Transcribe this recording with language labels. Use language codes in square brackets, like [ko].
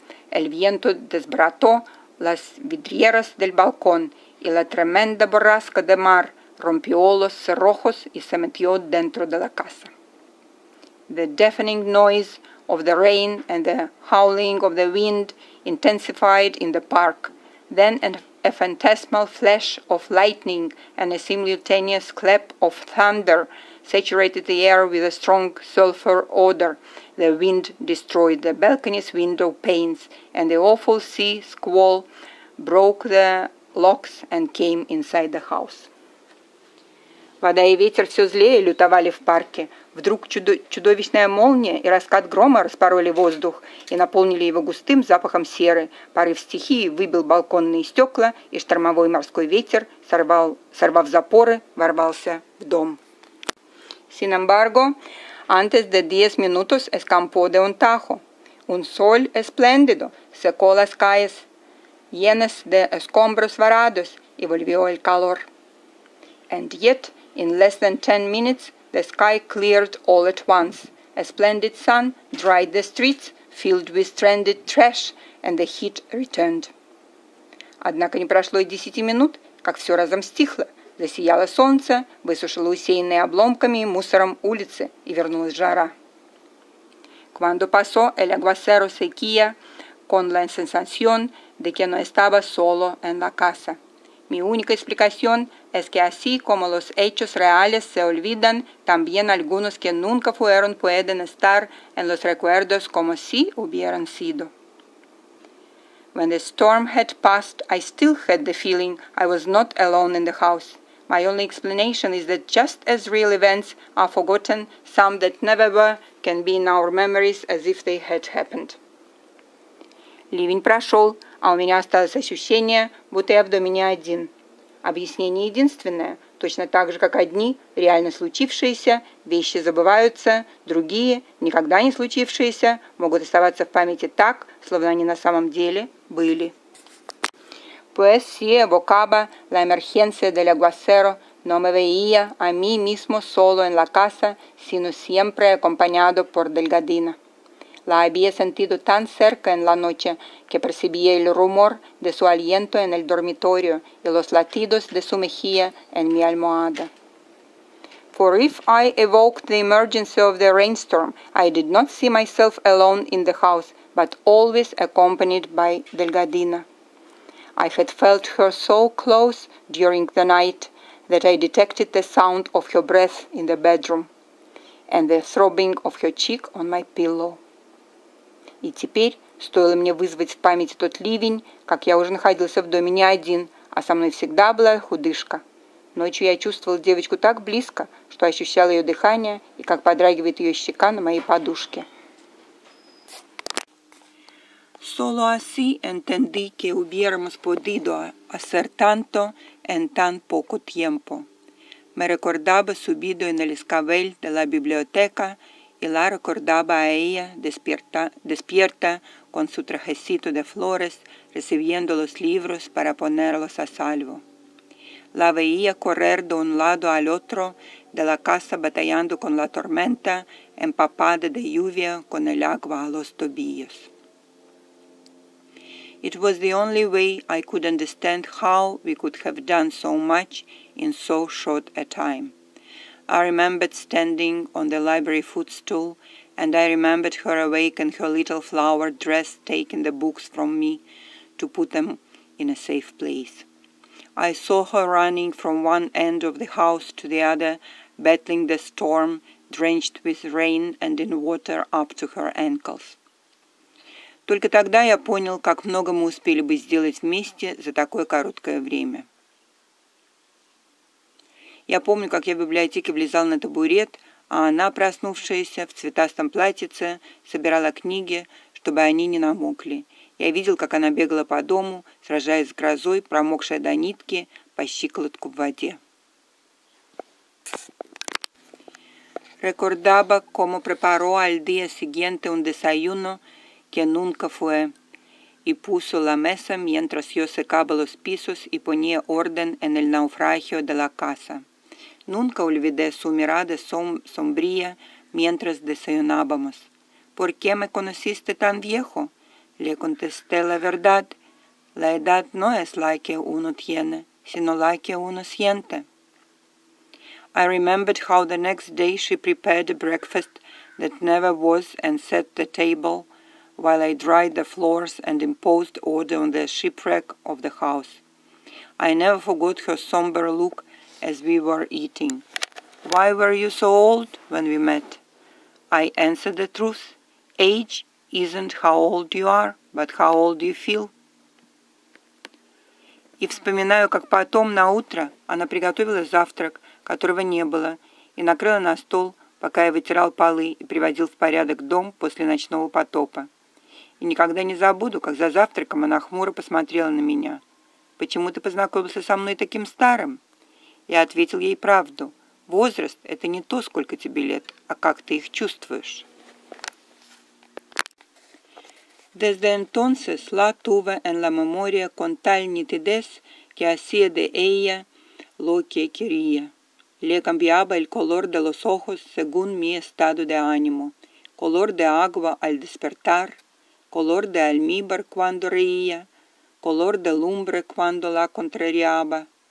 [es] El viento desbarató las vidrieras del balcón y la tremenda borrasca de mar rompió los cerrojos y se metió dentro de la casa. [en] The deafening noise of the rain and the howling of the wind intensified in the park. Then a phantasmal flash of lightning and a simultaneous clap of thunder saturated the air with a strong sulfur odor. The wind destroyed the balcony's window panes, and the awful sea squall broke the locks and came inside the house. [ru] Вода и ветер все злее лютовали в парке. Вдруг чудовищная молния и раскат грома распороли воздух и наполнили его густым запахом серы. Порыв стихии выбил балконные стекла, и штормовой морской ветер, сорвав запоры, ворвался в дом. [es] Sin embargo, antes de 10 minutos escampó de un tajo. Un sol espléndido secó las calles llenas de escombros varados y volvió el calor. [en] And yet, in less than 10 minutes, the sky cleared all at once. A splendid sun dried the streets, filled with stranded trash, and the heat returned. [ru] Однако не прошло и 10 минут, как все разом стихло. Засияло солнце, высушило усеянные обломками и мусором улицы, и вернулась жара. [es] Cuando pasó el aguacero sequía, con la sensación de que no estaba solo en la casa. Mi única explicación es que así como los hechos reales se olvidan, también algunos que nunca fueron pueden estar en los recuerdos como si hubieran sido. [en] When the storm had passed, I still had the feeling I was not alone in the house. My only explanation is that just as real events are forgotten, some that never were can be in our memories as if they had happened. [ru] Ливень прошел, а у меня осталось ощущение, будто я в доме не один. Объяснение единственное, точно так же, как одни, реально случившиеся, вещи забываются, другие, никогда не случившиеся, могут оставаться в памяти так, словно они на самом деле были. [es] Pues sí evocaba la emergencia del aguacero, no me veía a mí mismo solo en la casa, sino siempre acompañado por Delgadina. La había sentido tan cerca en la noche que percibía el rumor de su aliento en el dormitorio y los latidos de su mejilla en mi almohada. [en] for if I evoked the emergency of the rainstorm, I did not see myself alone in the house, but always accompanied by Delgadina. I had felt her so close during the night that I detected the sound of her breath in the bedroom and the throbbing of her cheek on my pillow. [ru] И теперь, стоило мне вызвать в памяти тот ливень, как я уже находился в доме не один, а со мной всегда была худышка. Ночью я чувствовал девочку так близко, что ощущал ее дыхание и как подрагивает ее щека на моей подушке. [es] Solo así entendí que hubiéramos podido hacer tanto en tan poco tiempo. Me recordaba subido en el escabel de la biblioteca y la recordaba a ella despierta con su trajecito de flores, recibiendo los libros para ponerlos a salvo. La veía correr de un lado al otro de la casa batallando con la tormenta, empapada de lluvia con el agua a los tobillos. [en] It was the only way I could understand how we could have done so much in so short a time. I remembered standing on the library footstool, and I remembered her awake and her little flower dress taking the books from me to put them in a safe place. I saw her running from one end of the house to the other, battling the storm, drenched with rain and in water up to her ankles. [ru] Только тогда я понял, как много мы успели бы сделать вместе за такое короткое время. Я помню, как я в библиотеке влезал на табурет, а она, проснувшаяся в цветастом платьице, собирала книги, чтобы они не намокли. Я видел, как она бегала по дому, сражаясь с грозой, промокшая до нитки, по щиколотку в воде. [es] Recordaba cómo preparó al día siguiente un desayuno que nunca fue, y puso la mesa mientras yo secaba los pisos y ponía orden en el naufragio de la casa. Nunca olvidé su mirada sombría mientras desayunábamos. ¿Por qué me conociste tan viejo? Le contesté la verdad. La edad no es la que uno tiene, sino la que uno siente. [en] I remembered how the next day she prepared a breakfast that never was and set the table while I dried the floors and imposed order on the shipwreck of the house. I never forgot her somber look as we were eating. Why were you so old when we met? I answered the truth. Age isn't how old you are, but how old you feel. [ru] И вспоминаю, как потом на утро она приготовила завтрак, которого не было, и накрыла на стол, пока я вытирал полы и приводил в порядок дом после ночного потопа. И никогда не забуду, как за завтраком она хмуро посмотрела на меня. Почему ты познакомился со мной таким старым? Я ответил ей правду. Возраст – это не то, сколько тебе лет, а как ты их чувствуешь. [es] Desde entonces la tuve en la memoria con tal nitidez que hacía de ella lo que quería. Le cambiaba el color de los ojos según mi estado de ánimo. Color de agua al despertar, color de almíbar cuando reía, color de lumbre cuando la contrariaba.